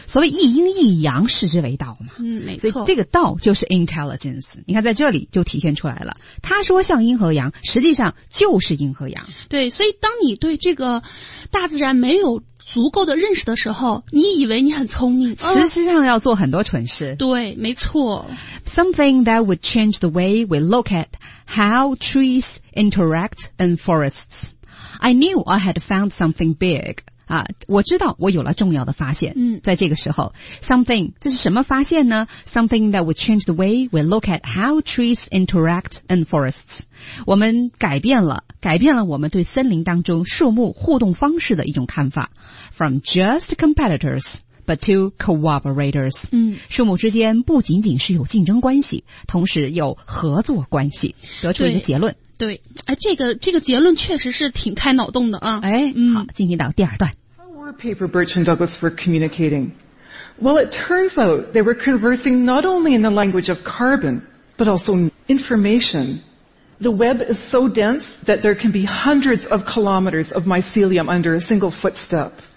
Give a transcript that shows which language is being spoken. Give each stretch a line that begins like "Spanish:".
Chinese: 所谓一阴一阳，视之为道嘛。嗯，没错。所以这个道就是 intelligence， 你看在这里就体现出来了。他说像阴和阳，实际上就是阴和阳。对，所以当你对这个大自然没有足够的认识的时候，你以为你很聪明，实际上要做很多蠢事。对，没错。
English: Something that would change the way we look at how trees interact in forests. I knew I had found something big.
Chinese: 啊，我知道我有了重要的发现。嗯，在这个时候 Something 这是什么发现呢？
English: Something that would change the way we look at how trees interact in forests.
Chinese: 我们改变了我们对森林当中树木互动方式的一种看法。
English: From just competitors but to cooperators，嗯，
Chinese: 树木之间不仅仅是有竞争关系，同时有合作关系，得出一个结论。对， 对，哎，这个结论确实是挺开脑洞的啊。哎，嗯，好，进行到第二段。
English: How were paper birch and Douglas for communicating? Well, it turns out they were conversing not only in the language of carbon but also informationThe web is so dense that there can be hundreds of kilometers of mycelium under a single footstep.